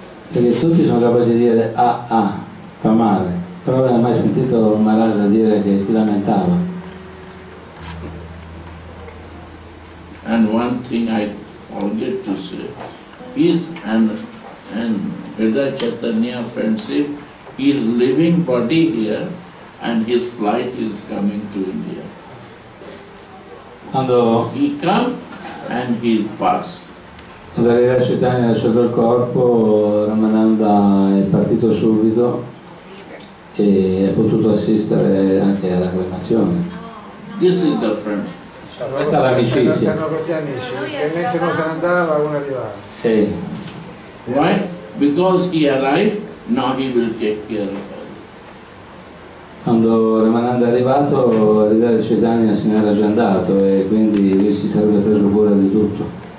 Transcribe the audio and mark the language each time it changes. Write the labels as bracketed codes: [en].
[it] Perché tutti sono capaci di dire fa male. Però non ho mai sentito Maharaj dire che si lamentava. [en] And one thing I forget to say is and Radha Chaitanya friendship, his living body here, and his flight is coming to India. And he come and he pass. [it] Quando Radha Chaitanya ha lasciato il corpo, Ramananda è partito subito e ha potuto assistere anche alla cremazione. [en] This is the friend. [it] Questa è l'amicizia. Erano così amici, e mentre uno se ne andava, uno arrivava. Sì. [en] Why? Because he arrived, now he will take care of her. [it] Quando Ramananda è arrivato, Radha Chaitanya se ne era già andato e quindi lui si sarebbe preso cura di tutto.